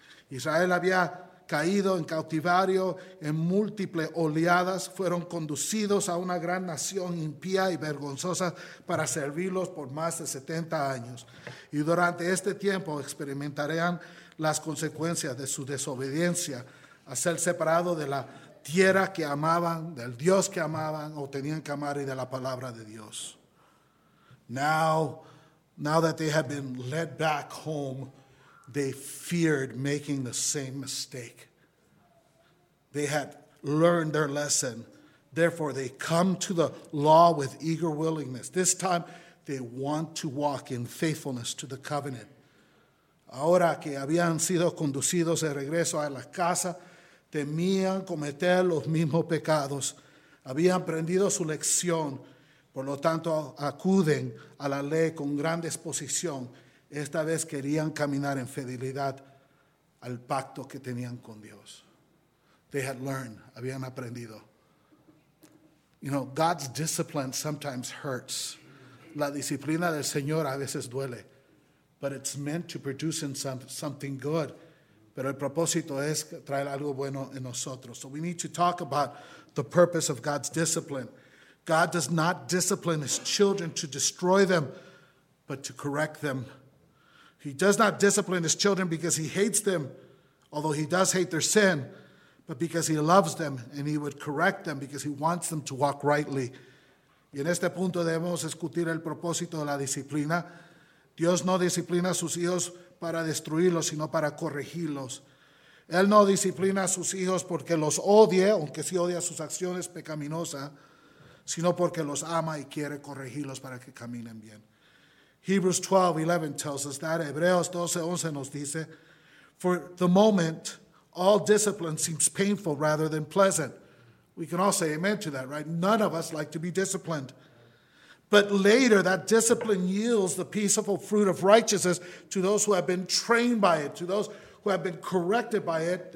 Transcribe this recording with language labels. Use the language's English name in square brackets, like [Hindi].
[Spanish] Israel había caído en cautiverio, en múltiples oleadas, fueron conducidos a una gran nación impía y vergonzosa para servirlos por más de 70 años. Y durante este tiempo experimentarían las consecuencias de su desobediencia a ser separado de la tierra que amaban, del Dios que amaban o tenían que amar y de la palabra de Dios. [English] Now that they have been led back home, they feared making the same mistake. They had learned their lesson. Therefore, they come to the law with eager willingness. This time, they want to walk in faithfulness to the covenant. [Spanish] Ahora que habían sido conducidos de regreso a la casa, temían cometer los mismos pecados. Habían aprendido su lección. Por lo tanto, acuden a la ley con gran disposición. Esta vez querían caminar en fidelidad al pacto que tenían con Dios. [English] They had learned, [Spanish] habían aprendido. [English] You know, God's discipline sometimes hurts. [Spanish] La disciplina del Señor a veces duele. [English] But it's meant to produce in something good. [Spanish] Pero el propósito es traer algo bueno en nosotros. [English] So we need to talk about the purpose of God's discipline. God does not discipline his children to destroy them, but to correct them. He does not discipline his children because he hates them, although he does hate their sin, but because he loves them and he would correct them because he wants them to walk rightly. [Spanish] Y en este punto debemos discutir el propósito de la disciplina. Dios no disciplina a sus hijos para destruirlos, sino para corregirlos. Él no disciplina a sus hijos porque los odie, aunque sí odia sus acciones pecaminosas, sino porque los ama y quiere corregirlos para que caminen bien. [English] Hebrews 12:11 tells us that. Hebreos 12:11 [Spanish] nos dice, [English] for the moment, all discipline seems painful rather than pleasant. We can all say amen to that, right? None of us like to be disciplined. But later, that discipline yields the peaceful fruit of righteousness to those who have been trained by it, to those who have been corrected by it.